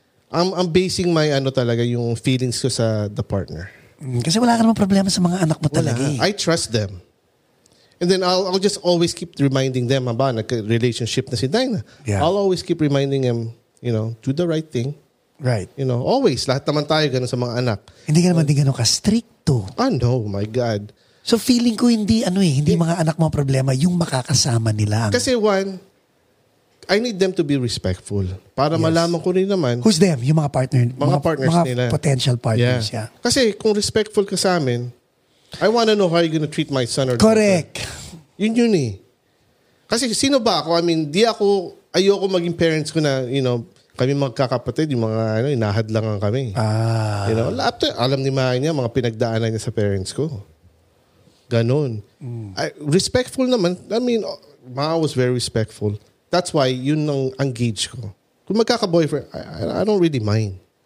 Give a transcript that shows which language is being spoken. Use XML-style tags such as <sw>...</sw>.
<en>I'm basing my</en> <tl>ano talaga, yung</tl> <en>feelings ko sa the partner.</en> <tl>Kasi wala ka naman problema sa mga anak mo talaga eh.</tl> <en>I trust them. And then I'll just always keep reminding them about na relationship na si Dina. Yeah. I'll always keep reminding them, you know, do the right thing. Right. You know, always.</en> <tl>Lahat naman tayo ganun sa mga anak. Hindi ka naman din ganun ka-stricto.</tl> <en>Oh no, my God.</en> <tl>So feeling ko hindi ano eh, hindi mga anak mo problema, yung makakasama nila.</tl> <en>Kasi one, I need them to be respectful.</en> <tl>Para yes. Malaman ko rin naman.</tl> <en>Who's them?</en> <tl>Yung mga partner. Mga partners mga nila.</tl> <en>Potential partners, yeah.</en> <tl>Kasi kung respectful ka sa amin,</tl> <en>I want to know how you're going to treat my son or correct.</en> <tl>Daughter. Yun yun eh. Kasi sino ba ako?</tl> <en>I mean,</en> <tl>di ako, ayoko maging parents ko na, you know, kami magkakapatid, yung mga, ano, inahad lang ang kami. Ah.</tl> <en>You know, after,</en> <tl>alam ni Maya niya, mga pinagdaanan niya sa parents ko. Ganon. Mm. Respectful naman.</tl> <en>I mean, Maya was very respectful. That's why,</en> <tl>yun ang engage ko. Kung magkaka-boyfriend,</tl> <en>I don't really mind.</en>